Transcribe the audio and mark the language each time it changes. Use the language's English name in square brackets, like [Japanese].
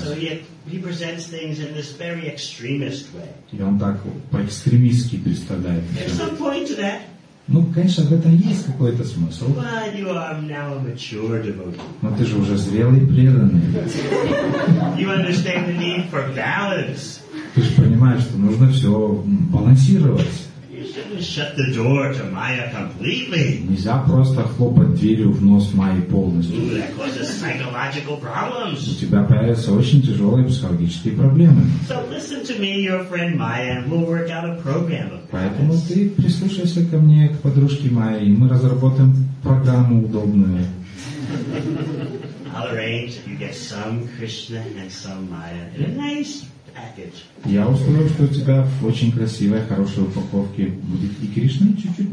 [English] So he presents things in this very extremist way. [Russian] И он так по-экстремистски представляет. [English] There's some point to that. [Russian] Ну, конечно, в этом есть какой-то смысл. [English] But you are now a mature devotee. [Russian] Но ты же уже зрелый преданный. [English] You understand the need for balance. [Russian] Ты же понимаешь, что нужно все балансировать. [English] Shut the door to Maya completely. [Russian] Нельзя просто хлопать дверью в нос Майи полностью. [English] That causes psychological problems. [Russian] У тебя появятся очень тяжелые психологические проблемы. [English] So listen to me, your friend Maya, and we'll work out a program of balance. [Russian] Поэтому ты прислушайся ко мне, к подружке Майи, и мы разработаем программу удобную. [English] I'll arrange that you get some Krishna and some Maya in a nice. [Russian] Я установлю, что у тебя в очень красивой, хорошей упаковке будет и Кришна, и чуть-чуть